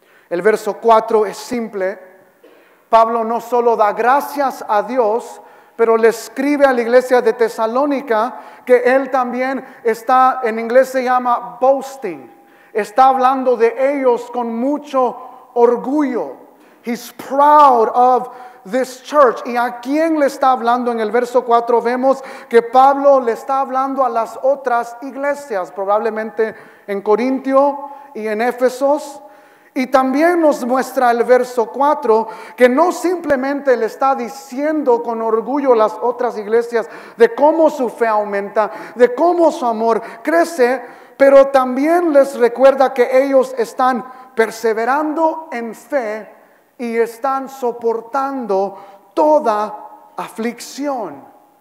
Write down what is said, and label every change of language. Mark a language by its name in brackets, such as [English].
[Spanish] El verso 4 es simple. Pablo no solo da gracias a Dios, pero le escribe a la iglesia de Tesalónica que él también está, en inglés se llama boasting. Está hablando de ellos con mucho orgullo. [English] He's proud of this church. [Spanish] ¿Y a quién le está hablando? En el verso 4 vemos que Pablo le está hablando a las otras iglesias, probablemente en Corintio y en Éfesos. Y también nos muestra el verso 4 que no simplemente le está diciendo con orgullo a las otras iglesias de cómo su fe aumenta, de cómo su amor crece, pero también les recuerda que ellos están perseverando en fe y están soportando toda aflicción.